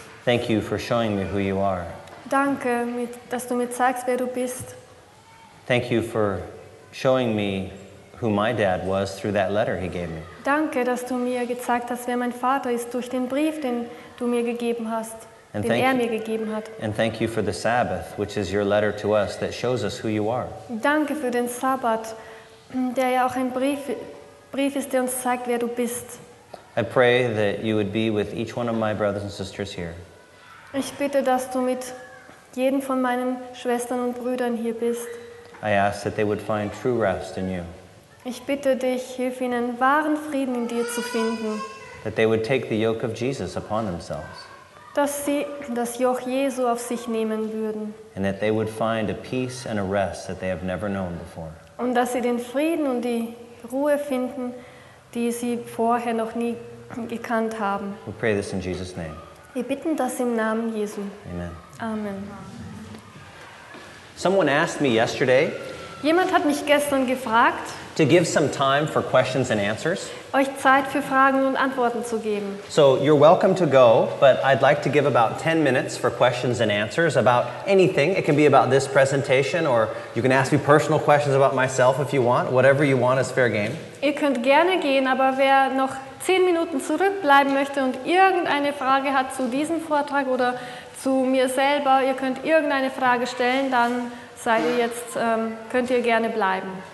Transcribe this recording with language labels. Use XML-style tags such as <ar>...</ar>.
<en>Thank you for showing me who you are.</en> <de>Danke, dass du mir zeigst, wer du bist.</de> <en>Thank you for showing me who my dad was through that letter he gave me.</en> <de>Danke, dass du mir gezeigt hast, wer mein Vater ist durch den Brief, den du mir gegeben hast, mir gegeben hat.</de> <en>And thank you for the Sabbath, which is your letter to us that shows us who you are.</en> <de>Danke für den Sabbat, der ja auch ein Brief ist, der uns zeigt, wer du bist.</de> <en>I pray that you would be with each one of my brothers and sisters here.</en> <de>Ich bitte, dass du mit jedem von meinen Schwestern und Brüdern hier bist.</de> <en>I ask that they would find true rest in you.</en> <de>Ich bitte dich, hilf ihnen, wahren Frieden in dir zu finden.</de> <en>That they would take the yoke of Jesus upon themselves.</en> <de>Dass sie das Joch Jesu auf sich nehmen würden.</de> <en>And that they would find a peace and a rest that they have never known before.</en> <de>Und dass sie den Frieden und die Ruhe finden, die sie vorher noch nie gekannt haben.</de> <en>We pray this in Jesus' name.</en> <de>Wir bitten das im Namen Jesu.</de> <en>Amen.</en> <de>Amen.</de> <en>Someone asked me yesterday.</en> <de>Jemand hat mich gestern gefragt,</de> <en>to give some time for questions and answers.</en> <de>Euch Zeit für Fragen und Antworten zu geben.</de> <en>So you're welcome to go, but I'd like to give about 10 minutes for questions and answers about anything. It can be about this presentation, or you can ask me personal questions about myself if you want. Whatever you want is fair game.</en> <de>Ihr könnt gerne gehen, aber wer noch 10 Minuten zurückbleiben möchte und irgendeine Frage hat zu diesem Vortrag oder zu mir selber, ihr könnt irgendeine Frage stellen, dann seid ihr jetzt, könnt ihr gerne bleiben.</de>